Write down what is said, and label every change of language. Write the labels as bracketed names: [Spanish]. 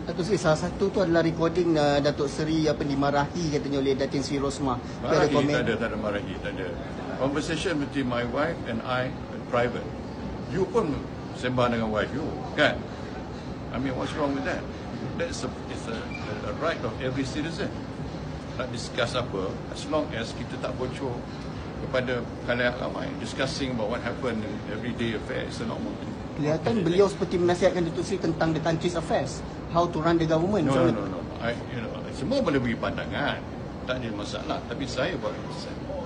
[Malay] Dato' Seri, salah satu tu adalah recording Dato' Seri apa dimarahi katanya oleh Datin Sri Rosmah. Tak ada marahi, tak ada. [English] Conversation between my wife and I private. You [Malay] pun sembang dengan [English] wife you, [Malay] kan? [English] I mean, what's wrong with that? It's a right of every citizen. Nak discuss apa, as long as [Malay] kita tak bocor kepada khalayak ramai. [English] Discussing about what happened in everyday affairs, it's a normal thing. [Malay] Kelihatan beliau day. Seperti menasihatkan Dato' Seri tentang [English] the country's affairs. How to run the government. No. [Malay] Semua boleh beri pandangan. Tak ada masalah. Tapi saya buat keputusan.